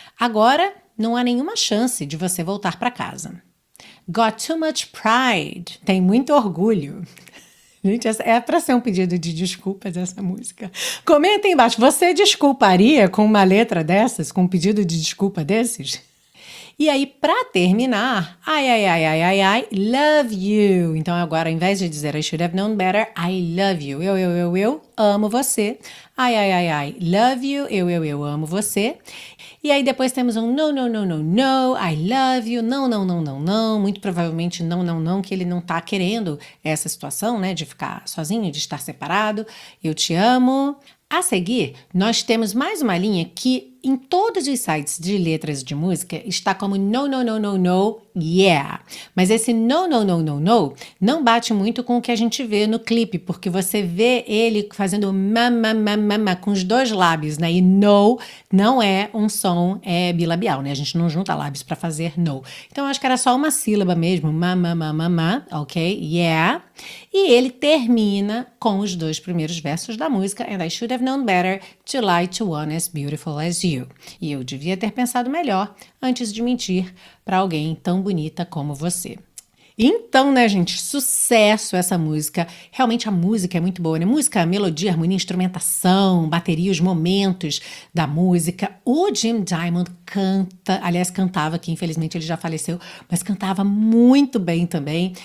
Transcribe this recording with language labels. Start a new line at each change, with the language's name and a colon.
Portuguese: Agora não há nenhuma chance de você voltar para casa.
English: Got too much pride.
Portuguese: Tem muito orgulho. Gente, essa é para ser um pedido de desculpas essa música. Comenta aí embaixo. Você desculparia com uma letra dessas, com um pedido de desculpa desses? E aí, para terminar, ai, ai, ai, ai, ai, ai,
English: love you.
Portuguese: Então agora, ao invés de dizer
English: I should have known better, I love you.
Portuguese: Eu amo você. Ai, ai, ai, ai,
English: love you.
Portuguese: Eu amo você. E aí depois temos um
English: no, no, no, no, no, I love you.
Portuguese: Não, não, não, não, não. Muito provavelmente não, não, não, que ele não tá querendo essa situação, né, de ficar sozinho, de estar separado. Eu te amo. A seguir, nós temos mais uma linha que em todos os sites de letras de música está como
English: no, no, no, no, no, yeah.
Portuguese: Mas esse no, no, no, no, no não bate muito com o que a gente vê no clipe, porque você vê ele fazendo mama, mama, mama com os dois lábios, né? E no não é um som bilabial, né? A gente não junta lábios para fazer no. Então eu acho que era só uma sílaba mesmo, mama, mama, mama, ok?
English: Yeah.
Portuguese: E ele termina com os dois primeiros versos da música,
English: and I should have known better to lie to one as beautiful as you.
Portuguese: E eu devia ter pensado melhor antes de mentir para alguém tão bonita como você. Então, né, gente, sucesso essa música. Realmente a música é muito boa, né? Música, melodia, harmonia, instrumentação, bateria, os momentos da música. O Jim Diamond canta, aliás, cantava, que infelizmente ele já faleceu, mas cantava muito bem também.